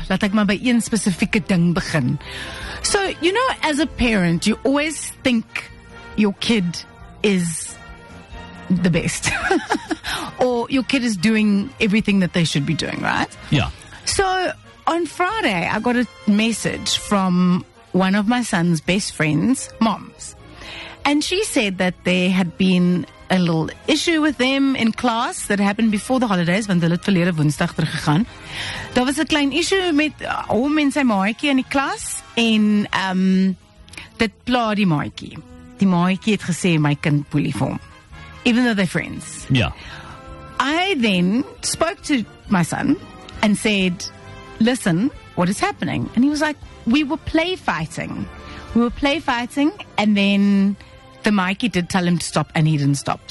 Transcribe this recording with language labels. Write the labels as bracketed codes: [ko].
[af] Laat ek maar by een spesifieke ding begin. [en] So, you know, as a parent, you always think your kid is the best. Or your kid is doing everything that they should be doing, right? Yeah. So, on Friday, I got a message from one of my son's best friends' moms. And she said that there had been a little issue with them in class that happened before the holidays, [af] want hulle het verlede Woensdag teruggegaan. Daar was 'n klein issue met hom en sy maatjie in die klas en dit pla die maatjie. Die maatjie het gesê my kind boelie vir hom. [en] Even though they're friends. Yeah. I then spoke to my son and said, "Listen, what is happening?" And he was like, "We were play fighting. We were play fighting and then the Mikey did tell him to stop and he didn't stop.